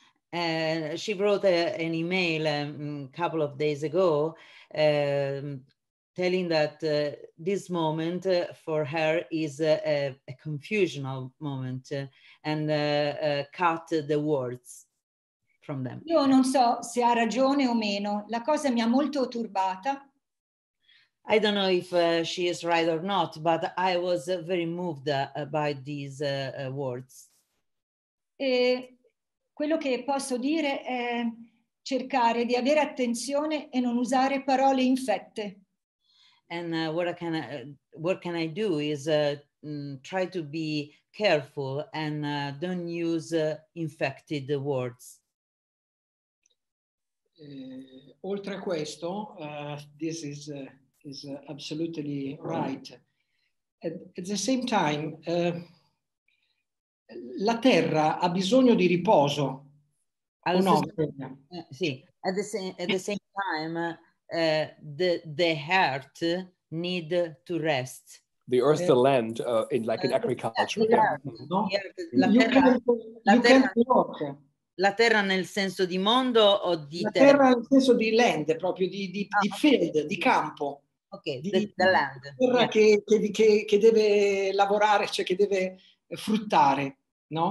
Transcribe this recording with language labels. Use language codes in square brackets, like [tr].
[en] She wrote an email a couple of days ago telling that this moment for her is a confusional moment and cut the words. From them. [it] Io non so se ha ragione o meno, la cosa mi ha molto turbata. [en] I don't know if she is right or not, but I was very moved by these words. [it] E quello che posso dire è cercare di avere attenzione e non usare parole infette. [en] And what can I do is try to be careful and don't use infected words. [it] Oltre a questo, [en] this is absolutely right. At the same time, [it] la terra ha bisogno di riposo. No? Sì. [en] At the same time, the earth need to rest. The earth, the land, in like in agriculture. [it] La terra nel senso di mondo o di terra? La terra nel senso di land, proprio di field, di campo. [en] Ok, the land. [it] La terra che deve lavorare, cioè che deve fruttare, no?